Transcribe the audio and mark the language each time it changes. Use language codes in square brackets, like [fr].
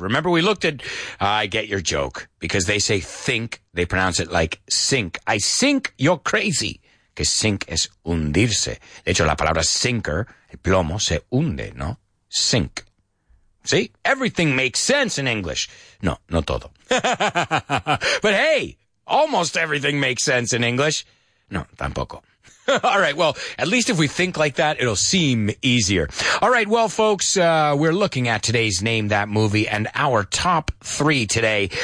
[en] Remember we looked at, I get your joke, because they say think, they pronounce it like sink. I sink, you're crazy. Que sink es hundirse. [es] De hecho, la palabra sinker, el plomo, se hunde, ¿no? [en] Sink. See? Everything makes sense in English. No, no todo. But hey, almost everything makes sense in English. No, tampoco. All right, well, at least if we think like that, it'll seem easier. All right, well, folks, we're looking at today's Name That Movie and our top three today.